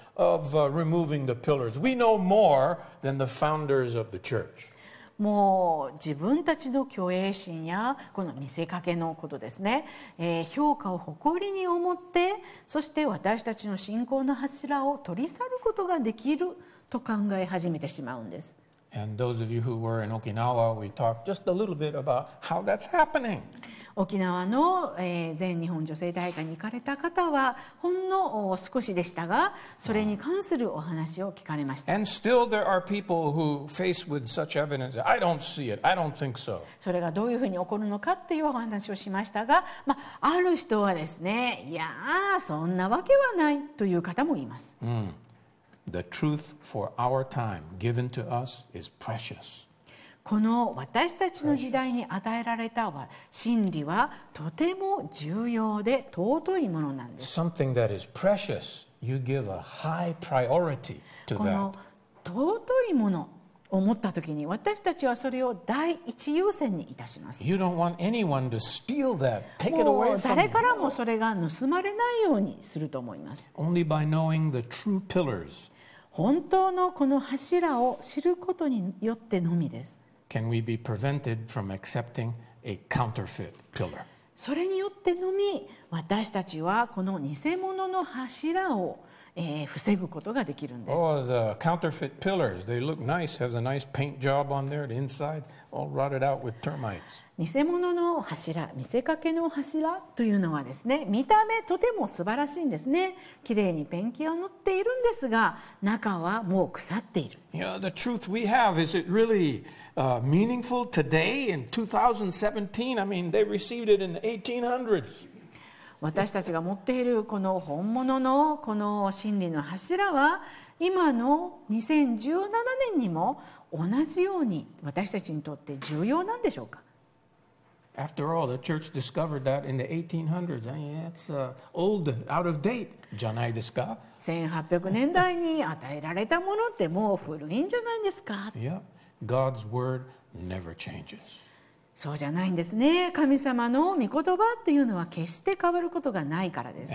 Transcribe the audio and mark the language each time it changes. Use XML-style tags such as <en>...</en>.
<en>Of removing the pillars. We know more than the founders of the church.</en> <ja>もう自分たちの虚栄心やこの見せかけのことですね、評価を誇りに思って、そして私たちの信仰の柱を取り去ることができると考え始めてしまうんです。</ja> <en>And those of you who were in Okinawa, we talked just a little bit about how that's happening.</en> <ja>沖縄の全日本女性大会に行かれた方はほんの少しでしたが、それに関するお話を聞かれました。</ja> <en>And still there are people who face with such evidence. I don't see it. I don't think so.</en> <ja>それがどういうふうに起こるのかっていうお話をしましたが、まあ、ある人はですね、いやーそんなわけはないという方もいます。</ja> <en>The truth for our time given to us is precious.</en> <ja>この私たちの時代に与えられた真理はとても重要で尊いものなんです。</ja> <en>Something that is precious, you give a high priority to that.</en> <ja>この尊いものを持った時に私たちはそれを第一優先にいたします。</ja> <en>You don't want anyone to steal that, take it away from you.</en> <ja>もう誰からもそれが盗まれないようにすると思います。</ja> <en>Only by knowing the true pillars.</en> <ja>本当のこの柱を知ることによってのみです。</ja> <en>Can we be prevented from accepting a counterfeit pillar?</en> <ja>それによってのみ私たちはこの偽物の柱を防ぐことができるんです。</ja> <en>Oh, the counterfeit pillars—they look nice. Has a nice paint job on there. The inside all rotted out with termites.</en> <ja>偽物の柱、見せかけの柱というのはですね、見た目とても素晴らしいんですね。きれいにペンキを塗っているんですが、中はもう腐っている。</ja> <en>Yeah, the truth we have, is it really, meaningful today in 2017? I mean, they received it in the 1800s.</en> <ja>私たちが持っているこの本物のこの真理の柱は今の2017年にも同じように私たちにとって重要なんでしょうか。</ja> <en>After all, the church discovered that in the 1800s. I mean, that's old, out of date,</en> <ja>じゃないですか。 1800年代に与えられたものってもう古いんじゃないですか。</ja> <en>Yeah, God's word never changes.</en> <ja>そうじゃないんですね。神様の御言葉っていうのは決して変わることがないからです。</ja>